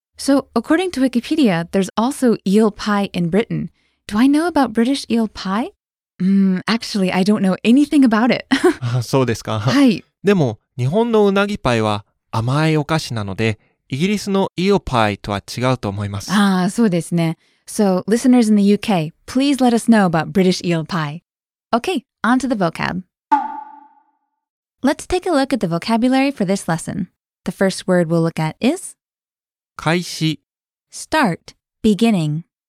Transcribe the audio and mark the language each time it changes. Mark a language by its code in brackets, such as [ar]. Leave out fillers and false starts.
[en] So, according to Wikipedia, there's also eel pie in Britain. Do I know about British eel pie? Actually, I don't know anything about it. [ja] そうですか。はい。でも、日本のうなぎパイは甘いお菓子なので、イギリスのイオパイとは違うと思います。ああ、そうですね。 [en] So, listeners in the UK, please let us know about British eel pie. Okay, on to the vocab. Let's take a look at the vocabulary for this lesson. The first word we'll look at is... [ja] 開始 [en] Start, beginning.